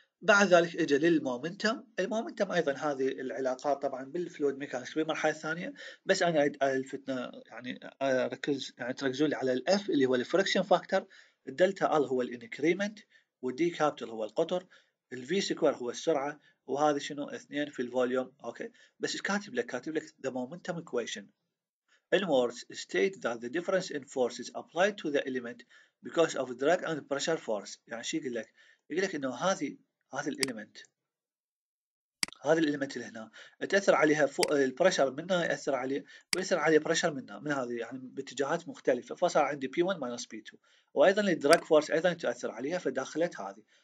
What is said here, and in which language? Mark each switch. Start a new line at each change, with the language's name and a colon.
Arabic: بعد ذلك اجى للمومنتم، المومنتم ايضا هذه العلاقات طبعا بالفلويد ميكانكس بالمرحله الثانيه، بس انا عيد الفتنا يعني اركز يعني تركزوا لي على الاف اللي هو الفريكشن فاكتور، الدلتا ال هو الانكريمنت، والدي كابيتال هو القطر، الـ V square هو السرعة، وهذا شنو؟ 2 في الفوليوم، أوكي؟ بس إيش كاتب لك؟ كاتب لك
English: the momentum equation. In words, state that the difference in forces applied to the element because of drag and pressure force.
Arabic: يعني شي يقول لك؟ يقول لك إنه هذه الإليمنت، هذا الإليمنت اللي هنا، تأثر عليها فوق الـ pressure منها يأثر عليه، ويأثر عليه pressure منها، من هذه يعني باتجاهات مختلفة، فصار عندي P1 minus P2، وأيضاً الـ drag force أيضاً تأثر عليها فداخلت هذه.